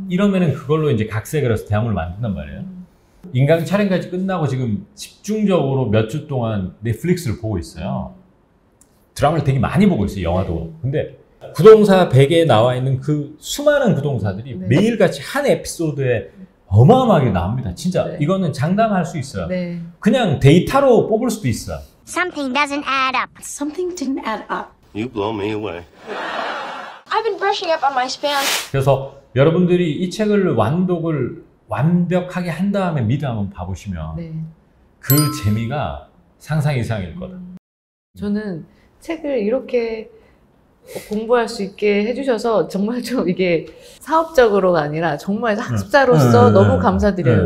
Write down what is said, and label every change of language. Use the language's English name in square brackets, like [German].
[Korean] 이러면은 그걸로 이제 각색을 해서 대화문을 만든단 말이에요. 인강 촬영까지 끝나고 지금 집중적으로 몇 주 동안 넷플릭스를 보고 있어요. 드라마를 되게 많이 보고 있어요, 영화도. 근데 구동사 100에 나와 있는 그 수많은 구동사들이 네. 매일같이 한 에피소드에 어마어마하게 나옵니다. 진짜 네. 이거는 장담할 수 있어요. 네. 그냥 데이터로 뽑을 수도 있어. [English] Something doesn't add up. Something didn't add up. You blow me away. I've been brushing up on my Spanish. [Korean] 그래서 여러분들이 이 책을 완독을 완벽하게 한 다음에 미드 한번 봐보시면 네. 그 재미가 상상 이상일 거다. 저는 책을 이렇게 공부할 수 있게 해주셔서 정말 좀 이게 사업적으로가 아니라 정말 학습자로서 너무 감사드려요.